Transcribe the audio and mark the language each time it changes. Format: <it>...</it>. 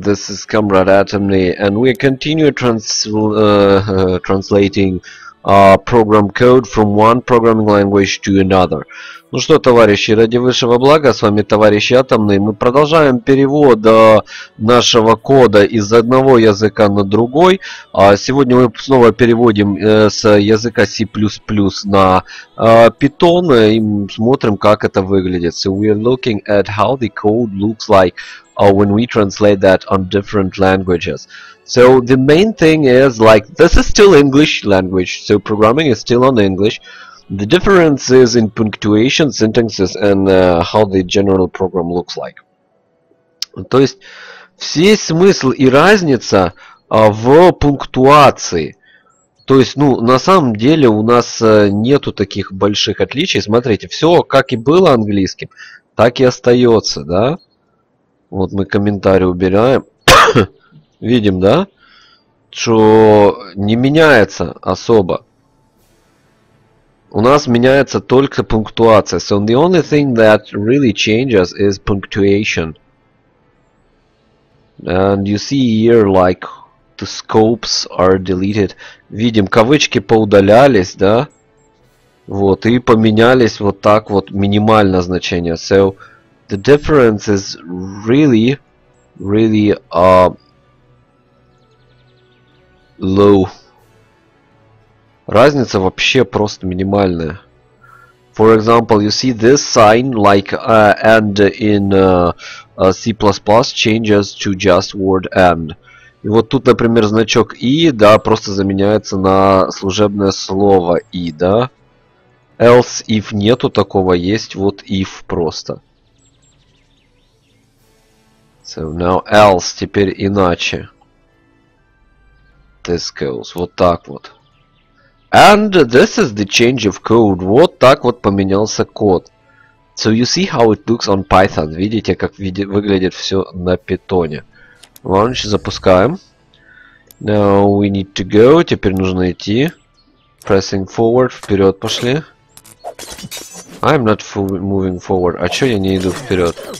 <en>This is Comrade Atomny, and we continue translating program code from one programming language to another.</en> <ru>Ну что, товарищи, ради высшего блага, с вами товарищ Атомный. Мы продолжаем перевод нашего кода из одного языка на другой. Сегодня мы снова переводим с языка C++ на Python и смотрим, как это выглядит.</ru> <en>So we are looking at how the code looks like when we translate that on different languages. So the main thing is, like, this is still English language, so programming is still on English. The difference is in punctuation, syntaxes, and how the general program looks like.</en> <ru>То есть, все смысл и разница в пунктуации. То есть, ну, на самом деле у нас нету таких больших отличий. Смотрите, все как и было английским, так и остается, да? Вот мы комментарий убираем. Видим, да? Что не меняется особо. У нас меняется только пунктуация.</ru> <en>So the only thing that really changes is punctuation. And you see here, like, the scopes are deleted.</en> <ru>Видим, кавычки поудалялись, да? Вот, и поменялись вот так вот минимальное значение.</ru> <en>So the difference is really, really low.</en> <ru>Разница вообще просто минимальная.</ru> <en>For example, you see this sign, like and in C++ changes to just word and.</en> <ru>И вот тут, например, значок и, да, просто заменяется на служебное слово и, да. Else if нету такого, есть вот if просто.</ru> <en>So now else,</en> <ru>теперь иначе.</ru> <en>This goes,</en> <ru>вот так вот.</ru> <en>And this is the change of code.</en> <ru>Вот так вот поменялся код.</ru> <en>So you see how it looks on Python.</en> <ru>Видите, как выглядит все на питоне.</ru> <en>Launch,</en> <ru>запускаем.</ru> <en>Now we need to go.</en> <ru>Теперь нужно идти.</ru> <en>Pressing forward.</en> <ru>Вперед пошли.</ru> <en>I'm not moving forward.</en> <ru>А чё я не иду вперед?</ru>